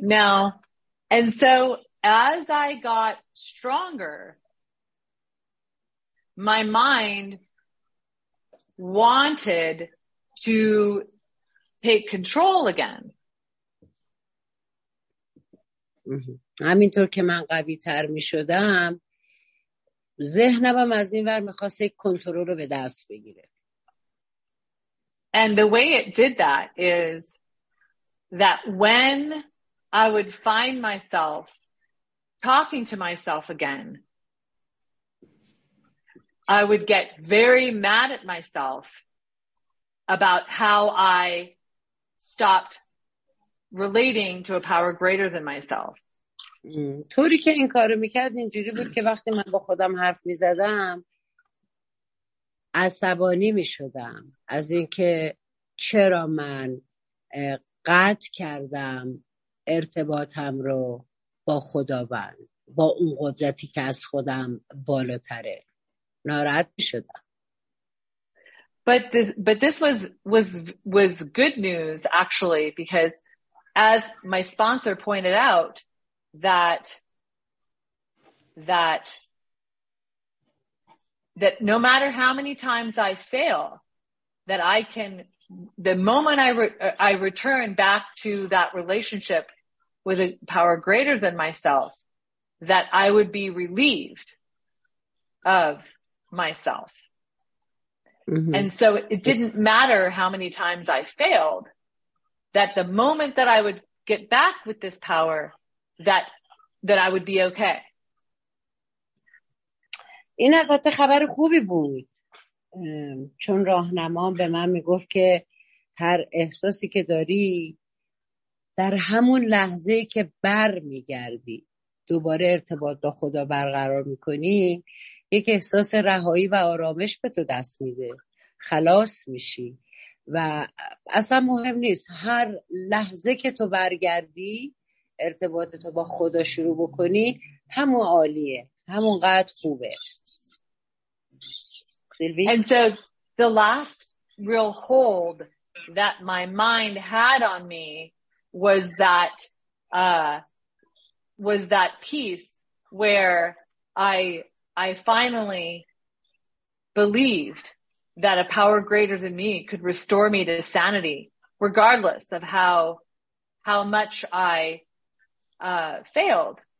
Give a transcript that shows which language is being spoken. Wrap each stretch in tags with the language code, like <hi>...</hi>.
<en>Now and so as I got stronger my mind wanted to take control again</en> <fa>همینطور که من قوی تر میشدم ذهنم از این ور میخواست یک کنترل رو به دست بگیره</fa> <en>And the way it did that is that when I would find myself talking to myself again, I would get very mad at myself about how I stopped relating to a power greater than myself.</en> <fa>طوری که این کارو میکرد اینجوری بود که وقتی من با خودم حرف میزدم عصبانی میشدم از اینکه چرا من قطع کردم ارتباطم رو با خداوند با اون قدرتی که از خودم بالاتره ناراحت میشدم</fa> <en>but this was good news actually because as my sponsor pointed out that no matter how many times I fail, that I can, the moment I return back to that relationship with a power greater than myself, that I would be relieved of myself. Mm-hmm. And so it didn't matter how many times I failed, that the moment that I would get back with this power, that I would be okay.</en> <fa>این البته خبر خوبی بود چون راهنمام به من میگفت که هر احساسی که داری در همون لحظه که بر میگردی دوباره ارتباط با خدا برقرار میکنی یک احساس رهایی و آرامش به تو دست میده خلاص میشی و اصلا مهم نیست هر لحظه که تو برگردی ارتباطتو با خدا شروع بکنی همون عالیه، همونقدر خوبه.</fa> <en>And so the last real hold that my mind had on me was that piece where I finally believed that a power greater than me could restore me to sanity, regardless of how much I failed.</en>